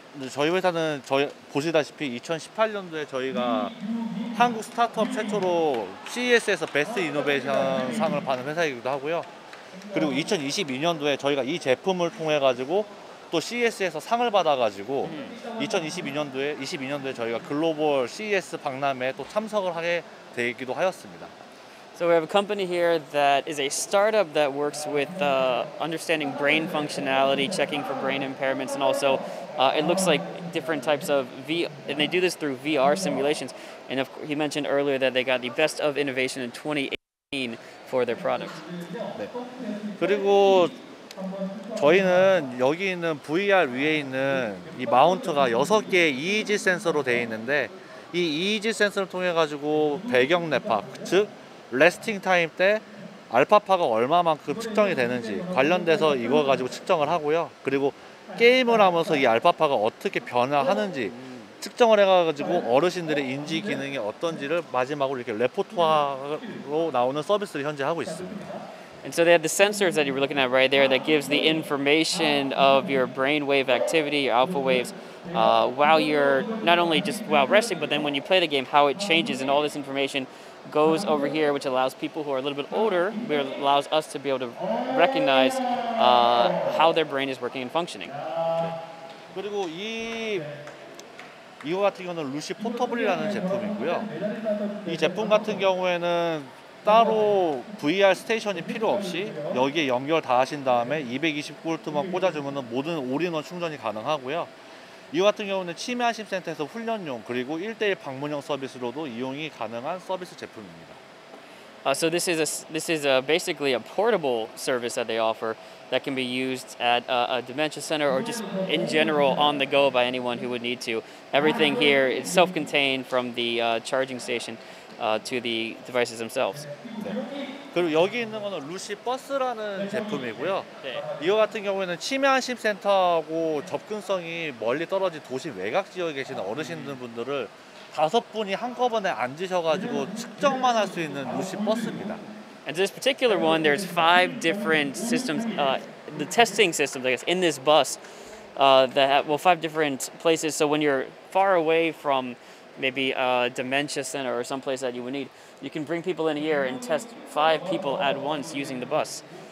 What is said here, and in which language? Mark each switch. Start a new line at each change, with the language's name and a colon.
Korean: 저희 회사는 보시다시피 2018년도에 저희가 한국 스타트업 최초로 CES에서 베스트 이노베이션 상을 받은 회사이기도 하고요. 그리고 2022년도에 저희가 이 제품을 통해 가지고 또 CES에서 상을 받아가지고 2022년도에 저희가 글로벌 CES 박람회에 또 참석을 하게 되기도 하였습니다.
English: So we have a company here that is a startup that works with understanding brain functionality, checking for brain impairments, and also it looks like different types of VR, and they do this through VR simulations. And of course, he mentioned earlier that they got the best of innovation in 2018 for their product.
Korean: 네. 그리고 저희는 여기 있는 VR 위에 있는 이 마운트가 6개의 EEG 센서로 되어 있는데 이 EEG 센서를 통해 가지고 배경 뇌파, 즉 레스팅 타임 때 알파파가 얼마만큼 측정이 되는지 관련돼서 이거 가지고 측정을 하고요. 그리고 게임을 하면서 이 알파파가 어떻게 변화하는지 측정을 해가지고 어르신들의 인지 기능이 어떤지를 마지막으로 이렇게 레포트화로 나오는 서비스를 현재 하고 있습니다.
English: And so they have the sensors that you were looking at right there that gives the information of your brainwave activity, your alpha waves, while you're not only just while resting, but then when you play the game, how it changes, and all this information goes over here, which allows people who are a little bit older, where it allows us to be able to recognize how their brain is working and functioning.
Korean: 그리고 이거 같은 경우는 루시 포터블이라는 제품이고요. 이 제품 같은 경우에는 따로 VR 스테이션이 필요 없이 여기에 연결 다 하신 다음에 220V만 꽂아주면 모든 올인원 충전이 가능하고요. 이 같은 경우는 치매 안심 센터에서 훈련용 그리고 1대1 방문용 서비스로도 이용이 가능한 서비스 제품입니다.
English: So this is basically a portable service that they offer that can be used at a dementia center or just in general on the go by anyone who would need to. Everything here is self-contained from the charging station. To the devices themselves.
Korean: 네. 그리고 여기 있는 거는 루시 버스라는 제품이고요. 네. 이거 같은 경우에는 치매 안심 센터하고 접근성이 멀리 떨어진 도시 외곽 지역에 계시는 어르신들분들을 다섯 분이 한꺼번에 앉으셔가지고 측정만 할 수 있는 루시 버스입니다.
English: And this particular one, there's five different systems, the testing systems, I guess, in this bus. Five different places. So when you're far away from maybe a dementia center or someplace that you would need. You can bring people in here and test five people at once using the bus.